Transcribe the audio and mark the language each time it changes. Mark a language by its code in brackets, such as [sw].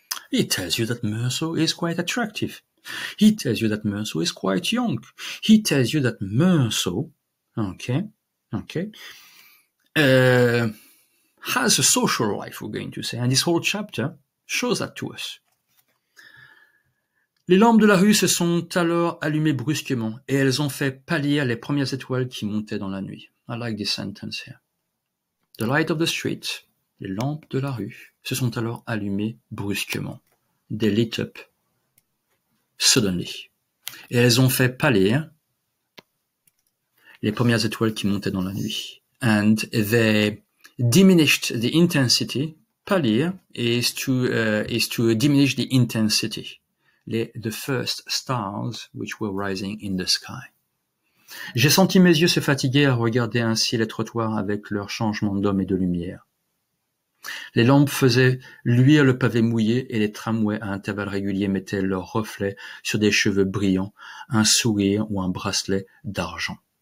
[en] It tells you that Meursault is quite attractive. He tells you that Meursault is quite young. He tells you that Meursault, has a social life, we're going to say, and this whole chapter shows that to us. [fr] Les lampes de la rue se sont alors allumées brusquement et elles ont fait pâlir les premières étoiles qui montaient dans la nuit. I like this sentence here. [en] The light of the street, [fr] les lampes de la rue, se sont alors allumées brusquement. [en] They lit up suddenly. [fr] Et elles ont fait pâlir les premières étoiles qui montaient dans la nuit. [en] And they diminished the intensity. Pâlir is to diminish the intensity. The first stars which were rising in the sky. [fr] J'ai senti mes yeux se fatiguer à regarder ainsi les trottoirs avec leur changement d'homme et de lumière. Les lampes faisaient luire le pavé mouillé et les tramways à intervalles réguliers mettaient leurs reflets sur des cheveux brillants, un sourire ou un bracelet d'argent.